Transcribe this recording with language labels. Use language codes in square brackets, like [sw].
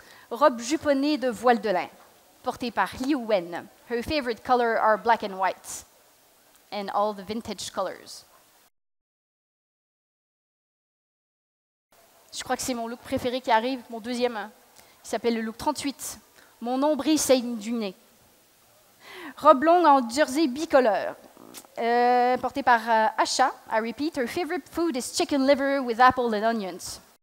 [fr] Robe juponnée de voile de lin, portée par Liu Wen. [en] Her favorite color are black and white, and all the vintage colors. [fr] Je crois que c'est mon look préféré qui arrive, mon deuxième. Il s'appelle le look 38. Mon nombril saigne du nez. Robe longue en jersey bicolore, portée par Asha. [en] I repeat, her favorite food is chicken liver with apple and onions.